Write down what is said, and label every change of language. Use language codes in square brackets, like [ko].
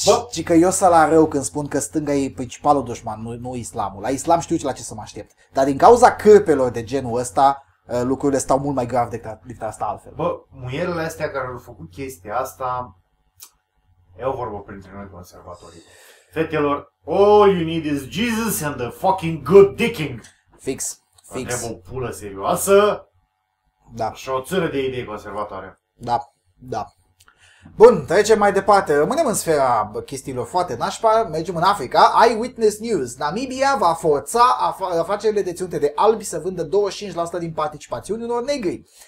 [ro] Și că eu sunt la rău când spun că stânga e principalul dușman, nu islamul. La islam știu la ce să mă aștept. Dar din cauza cârpelor de genul ăsta, lucrurile stau mult mai grav decât asta altfel. Bă, muierele astea care au făcut chestia asta, e o vorbă printre noi conservatorii. Fetelor, [en] all you need is Jesus and the fucking good dicking. [ro] Fix, fix. Trebuie o pulă serioasă, da. Și o țără de idei conservatoare. Da, da. Bun, trecem mai departe. Rămânem în sfera chestiilor foarte nașpa, mergem în Africa. Eyewitness News. Namibia va forța afacerile deținute de albi să vândă 25% din participațiuni unor negri.